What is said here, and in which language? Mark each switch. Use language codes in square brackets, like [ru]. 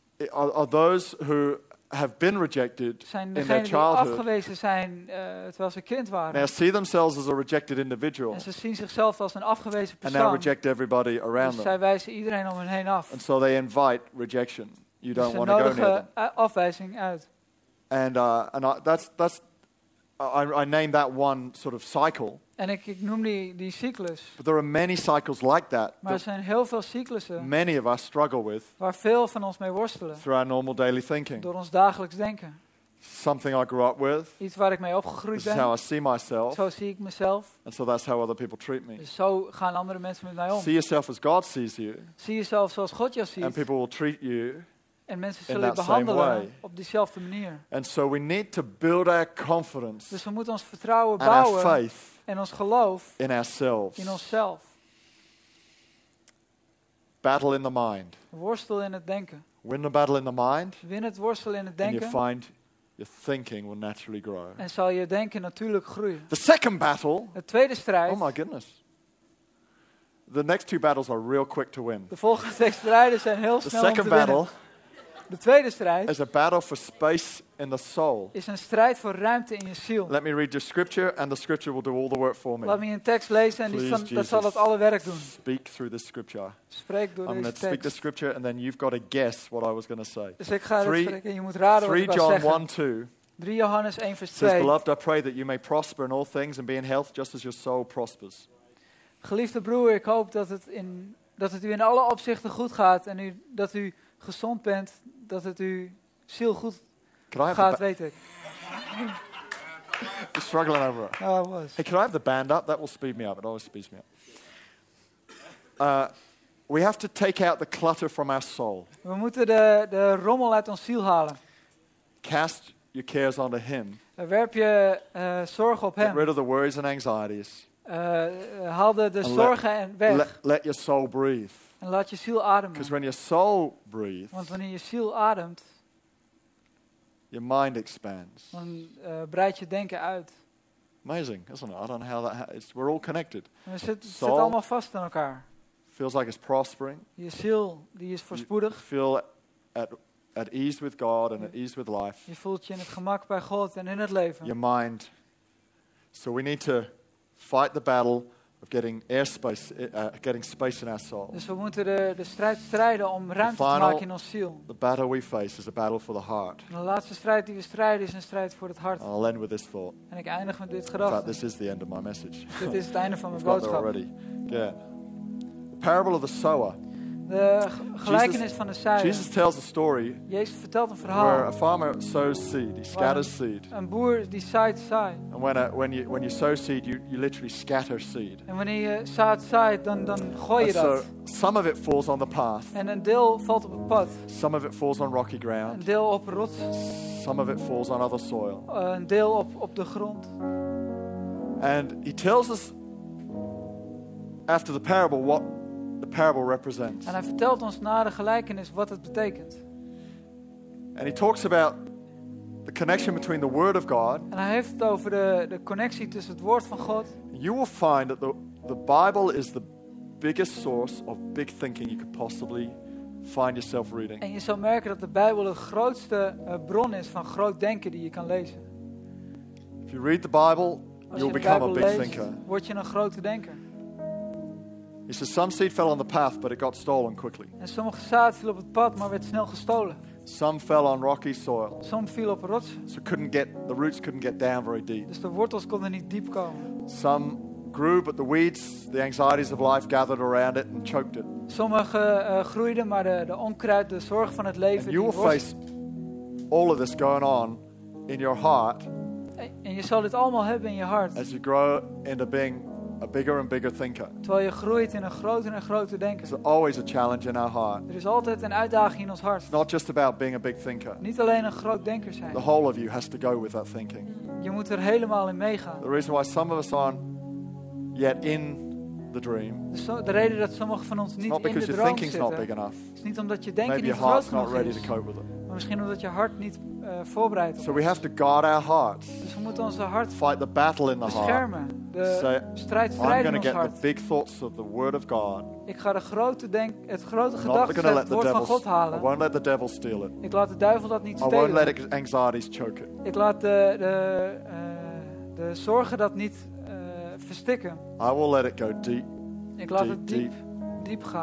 [en] Are those who have been rejected [nl] zijn [en] in their childhood. [nl] Die afgewezen zijn terwijl ze kind waren. [en] Now see themselves as a rejected individual. [nl] En ze zien zichzelf als een afgewezen persoon. [en] And now reject everybody around [nl] dus [en] them. [nl] Zij wijzen iedereen om hen heen af. [en] And so they invite rejection. You don't [nl] dus [en] want to go near them. [nl] Afwijzing uit. [en] And I name that one sort of cycle. [nl] En ik noem die cyclus. [en] But there are many cycles like that. [nl] Maar er zijn heel veel cyclussen. [en] Many of us struggle with. [nl] Waar veel van ons mee worstelen. [en] Through our normal daily thinking. [nl] Door ons dagelijks denken. [en] Something I grew up with. [nl] Iets waar ik mee opgegroeid ben. [en] How I see myself. [nl] Zo zie ik mezelf. [en] And so that's how other people treat me. [nl] Dus zo gaan andere mensen met mij om. [en] See yourself as God sees you. [nl] Zie jezelf zoals God jou ziet. [en] And people will treat you. [nl] En mensen zullen je behandelen op diezelfde manier. [en] And so we need to build our confidence. [nl] Dus we moeten ons vertrouwen bouwen. [en] And our faith. [nl] En ons geloof [en] in ourselves. [nl] In onszelf. [en] Battle in the mind. [nl] Worstel in het denken. [en] Win the battle in the mind. [nl] Win het worstel in het denken. [en] And you find your thinking will naturally grow. [nl] En zal je denken natuurlijk groeien. [en] The second battle. [nl] De tweede strijd. [en] Oh my goodness. The next two battles are real quick to win. [nl] De volgende twee strijden zijn heel snel om te winnen. [en] The second battle. [nl] De tweede strijd [en] is a battle for space in the soul. [nl] Is een strijd voor ruimte in je ziel. [en] Let me read your scripture and the scripture will do all the work for me. [nl] Laat me een tekst lezen en [en] please, [nl] die dat zal het alle werk doen. [en] Speak through the scripture. [nl] Spreek door [en] I'm [nl] tekst. [en] Speak the scripture and then you've got to guess what I was going to say. [nl] Dus ik ga het spreken en je moet raden wat ik [en] John [nl] wou zeggen. [en] 1, 2. [nl] 3 Johannes 1 vers [en] 2. Says, beloved, I pray that you may prosper in all things and be in health just as your soul prospers. [nl] Geliefde broer, ik hoop dat het u in alle opzichten goed gaat en u dat u gezond bent, dat het uw ziel goed gaat, weet ik. [en] You're struggling over it. No, I was. Hey, can I have the band up? That will speed me up. It always speeds me up. We have to take out the clutter from our soul. [nl] We moeten de rommel uit ons ziel halen. [en] Cast your cares onto him. [nl] Werp je zorg op hem. [en] Get rid of the worries and anxieties. [nl] Haal de zorgen en weg. [en] Let your soul breathe. [nl] En laat je ziel ademen. [en] Because when your soul breathes, [nl] want wanneer je ziel ademt, [en] your mind expands. [nl] Dan breidt je denken uit. [en] Amazing, isn't it? I don't know how that happens. We're all connected. [nl] We zitten allemaal vast aan elkaar. [en] Feels like it's prospering. [nl] Je ziel die is voorspoedig. [en] You feel at ease with God and at ease with life. [nl] Je voelt je in het gemak bij God en in het leven. [en] Your mind. So we need to fight the battle of getting airspace, getting space in our soul. [nl] Dus we moeten de strijd strijden om ruimte [en] final, [nl] te maken in ons ziel. [en] The battle we face is a battle for the heart. [nl] En de laatste strijd die we strijden is een strijd voor het hart. [en] I'll end with this thought. [nl] En ik eindig met dit gedachte. [en] This is the end of my message. [nl] Dit is het einde van mijn boodschap. [en] Got already. Yeah. The parable of the sower. [nl] De gelijkenis van de zaaier. [en] Jesus tells a story. [nl] Jezus vertelt een verhaal. [en] Where a farmer sows seed, he scatters seed. [nl] Een boer die zaait zaai. [en] And when you sow seed, you literally scatter seed. [nl] En wanneer je zaait zaai, dan gooi je dat. [en] So some of it falls on the path. [nl] En een deel valt op het pad. [en] Some of it falls on rocky ground. [nl] Een deel op rots. [en] Some of it falls on other soil. [nl] Een deel op de grond. [en] And he tells us after the parable what the parable represents. [nl] En hij vertelt ons na de gelijkenis wat het betekent. [en] And he talks about the connection between the word of God. [nl] En hij heeft het over de connectie tussen het woord van God. [en] You will find that the Bible is the biggest source of big thinking you could possibly find yourself reading. [nl] En je zal merken dat de Bijbel de grootste bron is van groot denken die je kan lezen. [en] If you read the Bible, you'll become a big thinker. [nl] Word je een grote denker. [en] He says some seed fell on the path, but it got stolen quickly. [nl] En sommige zaad viel op het pad, maar werd snel gestolen. [en] Some fell on rocky soil. Some [nl] viel op rots. [en] So the roots couldn't get down very deep. [nl] Dus de wortels konden niet diep komen. [en] Some grew, but the weeds, the anxieties of life gathered around it and choked it. [nl] Sommige groeiden, maar de onkruid, de zorg van het leven. [en] And you will face all of this going on in your heart. [nl] En je zal dit allemaal hebben in je hart. [en] As you grow into being a bigger and bigger thinker. [nl] Terwijl je groeit in een groter en groter denken. [en] There's always a challenge in our heart. [nl] Er is altijd een uitdaging in ons hart. [en] It's not just about being a big thinker. [nl] Niet alleen een groot denker zijn. [en] The whole of you has to go with that thinking. [nl] Je moet er helemaal in meegaan. [en] The reason why some of us aren't yet in the dream. [nl] De reden dat sommige van ons niet in de droom zitten. [en] Not because your thinking's not big enough. [nl] Is niet omdat je denken [en] maybe [nl] niet groot genoeg is. [en] Not ready to cope with it. [nl] Maar misschien omdat je hart niet voorbereid is. [en] So we have to guard our hearts. [nl] Dus we moeten onze hart [en] fight the battle in the heart. [nl] Beschermen. [en] I'm going to get the big thoughts of the word of God. [nl] Ik ga het grote woord van God halen. [en] I won't let the devil steal it. [nl] Ik laat de duivel dat niet stelen. [en] I won't let anxieties choke it. [nl] Ik laat de zorgen dat niet verstikken. [en] I will let it go deep. [nl] Ik laat het diep gaan.